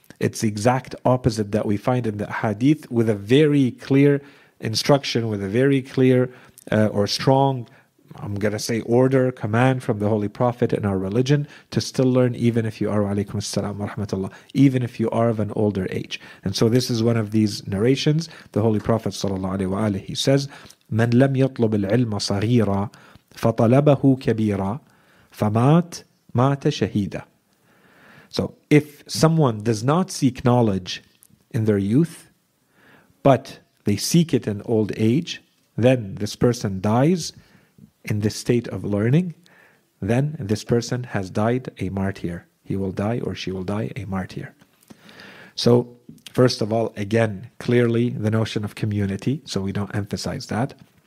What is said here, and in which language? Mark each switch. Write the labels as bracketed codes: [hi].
[en] It's the exact opposite that we find in the hadith, with a very clear instruction, with a very clear order, command from the Holy Prophet in our religion to still learn, even if you are, [ar] alaykum as-salam wa rahmatullah, [en] even if you are of an older age. And so this is one of these narrations. The Holy Prophet sallallahu alayhi wa alihi says, [ar] من لم يطلب العلم صغيرا فطلبه كبيرا فمات مات شهيدا. [en] So if someone does not seek knowledge in their youth, but they seek it in old age, then this person dies in this state of learning, then this person has died a martyr. He will die, or she will die a martyr. So, first of all, again, clearly the notion of community, so we don't emphasize that.